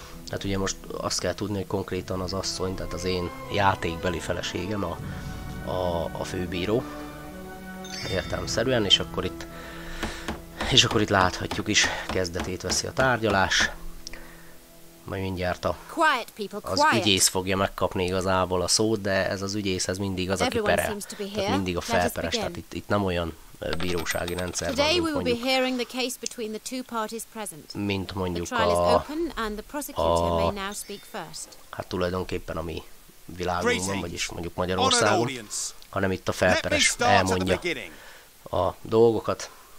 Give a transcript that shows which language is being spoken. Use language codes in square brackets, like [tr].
[hu] Tehát ugye most azt kell tudni, hogy konkrétan az asszony, tehát az én játékbeli feleségem a főbíró értelemszerűen, és akkor itt láthatjuk is, kezdetét veszi a tárgyalás, majd mindjárt az ügyész fogja megkapni igazából a szót, de ez az ügyész, ez mindig az, aki perel, tehát mindig a felperes, tehát itt nem olyan bírósági rendszer van. [en] Today we will be hearing the case between the two parties present. [hu] Mint mondjuk [en] the trial is open and the prosecutor may now speak first. [hu] Hát tulajdonképpen a mi világunkban, vagyis mondjuk Magyarországon, hanem itt a felperes elmondja a dolgokat.